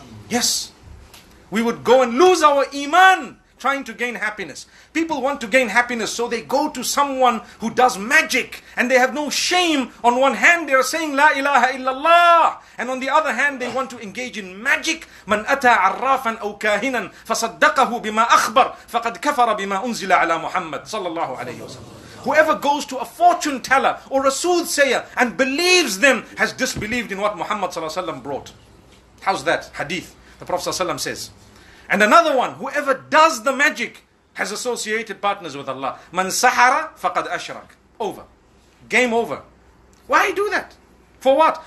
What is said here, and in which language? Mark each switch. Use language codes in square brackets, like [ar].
[en] Yes. We would go and lose our iman trying to gain happiness. People want to gain happiness, so they go to someone who does magic. And they have no shame. On one hand, they are saying, La ilaha illallah. And on the other hand, they want to engage in magic. [ar] مَنْ أَتَى عَرَّافًا أَوْ كَاهِنًا فَصَدَّقَهُ بِمَا أَخْبَرْ فَقَدْ كَفَرَ بِمَا أُنزِلَ عَلَى مُحَمَّدٍ صلى الله عليه وسلم. [en] Whoever goes to a fortune teller or a soothsayer and believes them has disbelieved in what Muhammad صلى الله عليه وسلم brought. How's that? Hadith. The Prophet ﷺ says. And another one, whoever does the magic has associated partners with Allah. [ar] Man sahara faqad ashrak. [en] Over. Game over. Why do that? For what?